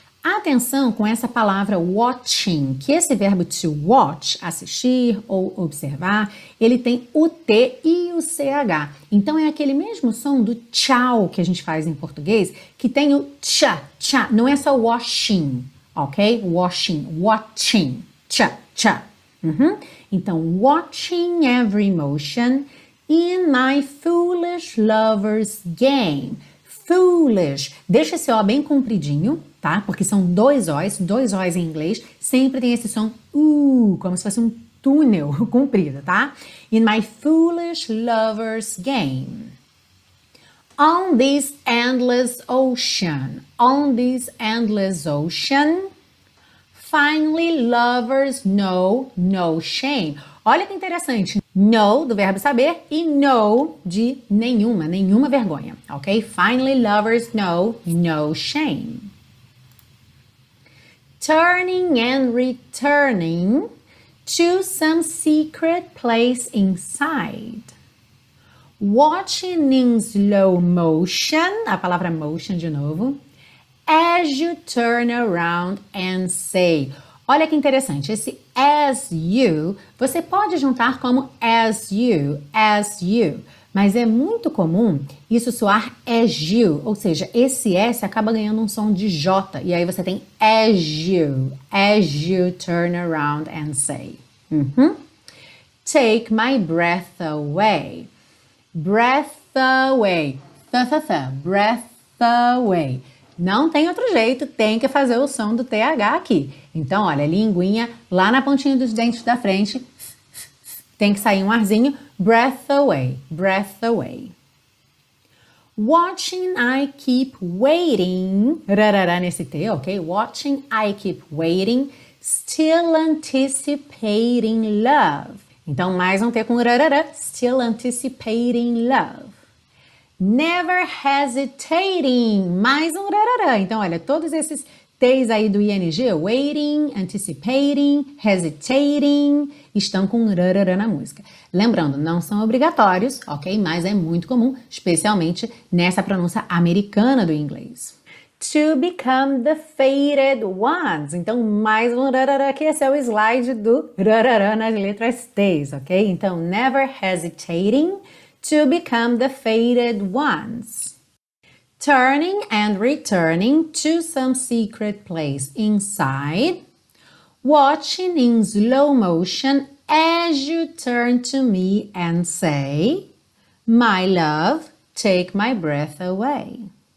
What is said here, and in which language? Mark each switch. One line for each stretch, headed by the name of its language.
Portuguese: Atenção com essa palavra watching, que esse verbo to watch, assistir ou observar, ele tem o T e o CH. Então é aquele mesmo som do tchau que a gente faz em português, que tem o tch, tch, não é só washing, ok?
English: Washing, watching, tch, tch. Uhum. Então, watching every motion in my foolish lover's game.
Portuguese: Foolish, deixa esse O bem compridinho, tá? Porque são dois O's em inglês, sempre tem esse som, como se fosse um túnel comprido, tá?
English: In my foolish lover's game. On this endless ocean, on this endless ocean, finally lovers know no shame.
Portuguese: Olha que interessante, no, do verbo saber, e no, de nenhuma, nenhuma vergonha, ok?
English: Finally lovers know no shame. Turning and returning to some secret place inside. Watching in slow motion,
Portuguese: a palavra motion de novo,
English: as you turn around and say.
Portuguese: Olha que interessante, esse as you, você pode juntar como as you, mas é muito comum isso soar as you, ou seja, esse S acaba ganhando um som de J, e aí você tem
English: as you turn around and say.
Portuguese: Uhum.
English: Take my breath away. Breath away. Th-th-th. Breath away.
Portuguese: Não tem outro jeito, tem que fazer o som do TH aqui. Então, olha, linguinha lá na pontinha dos dentes da frente. Tem que sair um arzinho.
English: Breath away. Breath away. Watching, I keep waiting.
Portuguese: Rarará nesse T, ok?
English: Watching, I keep waiting. Still anticipating love.
Portuguese: Então, mais um T com rarará.
English: Still anticipating love. Never hesitating.
Portuguese: Mais um rarará. Então, olha, todos esses T's aí do ING, waiting, anticipating, hesitating, estão com rarará na música. Lembrando, não são obrigatórios, ok? Mas é muito comum, especialmente nessa pronúncia americana do inglês.
English: To become the fated ones.
Portuguese: Então, mais um rarará, que esse é o slide do rarará nas letras T's, ok?
English: Então, never hesitating to become the fated ones. Turning and returning to some secret place inside. Watching in slow motion as you turn to me and say, my love, take my breath away.